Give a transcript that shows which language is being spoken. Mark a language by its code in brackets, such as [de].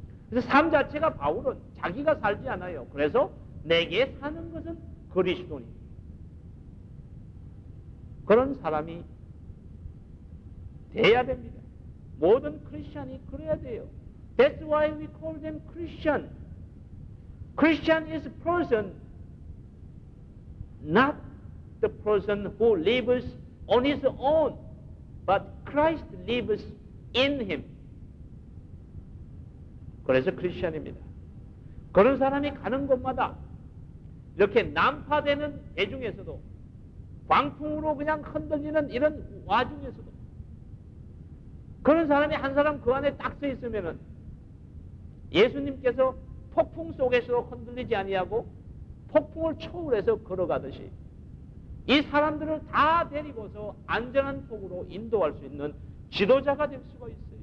[ko] 그래서 삶 자체가 바울은 자기가 살지 않아요. 그래서 내게 사는 것은 그리스도니. 그런 사람이 돼야 됩니다. 모든 크리스천이 그래야 돼요. [en] That's why we call them Christian. Christian is a person, not the person who lives on his own, but Christ lives in him. [ko] 그래서 크리스천입니다. 그런 사람이 가는 곳마다 이렇게 난파되는 대중에서도 광풍으로 그냥 흔들리는 이런 와중에서도 그런 사람이 한 사람 그 안에 딱 서 있으면은 예수님께서 폭풍 속에서 흔들리지 아니하고 폭풍을 초월해서 걸어가듯이 이 사람들을 다 데리고서 안전한 폭으로 인도할 수 있는 지도자가 될 수가 있어요.